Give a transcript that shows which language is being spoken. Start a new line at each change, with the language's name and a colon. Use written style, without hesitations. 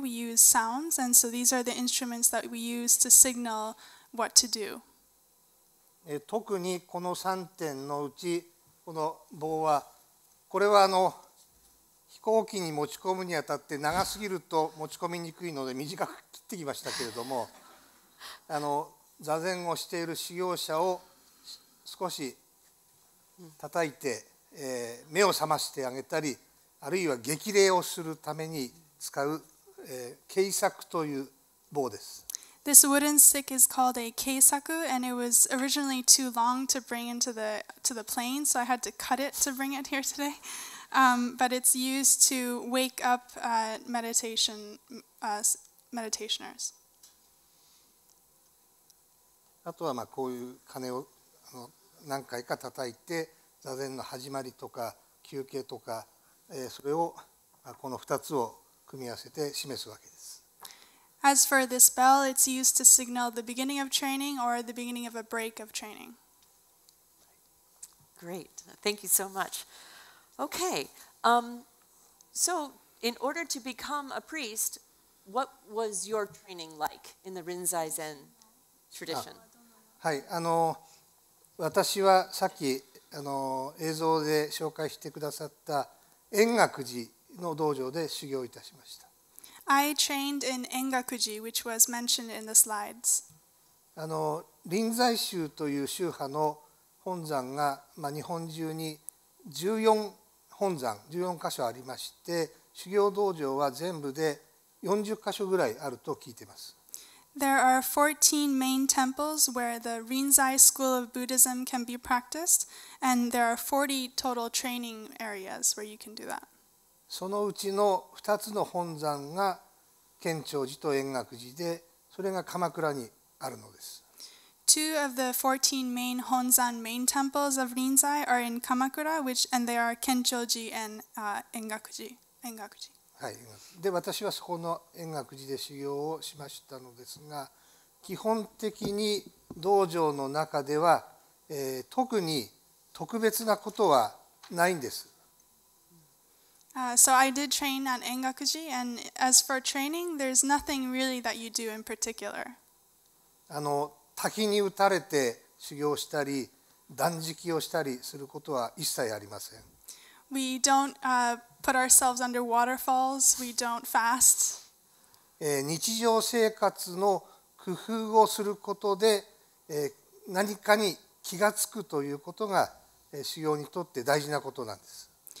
English: We use sounds, and so these are the instruments that we use to signal what to do.
Japanese: 特にこの3点のうち、この棒は、これは飛行機に持ち込むにあたって長すぎると持ち込みにくいので短く切ってきましたけれども、座禅をしている修行者を少し叩いて、目を覚ましてあげたり、あるいは激励をするために使う、軽索という棒です。
English: This wooden stick is called a keisaku, and it was originally too long to bring into the plane, so I had to cut it to bring it here today. But it's used to wake up meditationers.
Japanese: あとはまあこういう鐘を何回か叩いて座禅の始まりとか休憩とか、それをこの2つを組み合わせて示すわけです。
English: As for this bell, it's used to signal the beginning of training or the beginning of a break of training. Great. Thank you so much. Okay. So, in order to become a priest, what was your training like in the Rinzai Zen tradition?
Japanese: はい。私はさっき映像で紹介してくださった円覚寺の道場で修行いたしました。
English: I trained in Engakuji, which was mentioned in the slides.
Japanese: 臨済宗という宗派の本山が、日本中に14箇所ありまして、修行道場は全部で40箇所ぐらいあると聞いています。
English: There are 14 main temples where the Rinzai school of Buddhism can be practiced, and there are 40 total training areas where you can do that.
Japanese: そのうちの2つの本山が建長寺と円覚寺で、それが鎌倉にあるのです。
English: Two of the 14 main Honzan main temples of Rinzai are in Kamakura, and they are Kenchōji and Engakuji. Engakuji.
Japanese: はい。で、私はそこの円覚寺で修行をしましたのですが、基本的に道場の中では、特に特別なことはないんです。
English: So I did train at Engakuji, and as for training, there's nothing really that you do in particular.
Japanese: 滝に打たれて修行したり断食をしたりすることは一切ありません。
English: We don't put ourselves under waterfalls. We don't fast.
Japanese: 日常生活の工夫をすることで、何かに気がつくということが、修行にとって大事なことなんです。